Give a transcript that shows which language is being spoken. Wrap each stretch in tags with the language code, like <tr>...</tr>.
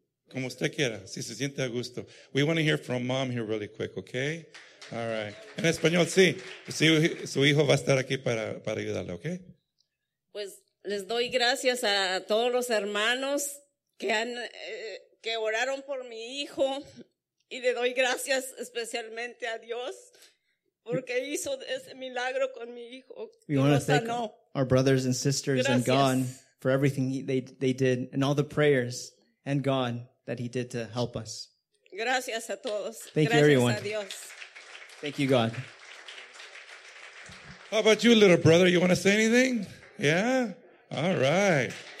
<es>Como usted quiera, si se siente a gusto.</es> <en>We want to hear from mom here really quick, okay? All right.</en> <es>En español, sí. Sí, su hijo va a estar aquí para ayudarle, okay? Pues les doy gracias a todos los hermanos que oraron por mi hijo. Y le doy gracias especialmente a Dios porque hizo ese milagro con mi hijo.</es> <en>We want to thank our brothers and sisters gracias. And God for everything they did and all the prayers and God that He did to help us.</en> <es>Gracias a todos.</es> <en>Thank</en> <es>gracias</es> <en>you, everyone.</en> <es>A Dios.</es> <en>Thank you, God. How about you, little brother? You want to say anything? Yeah? All right.</en>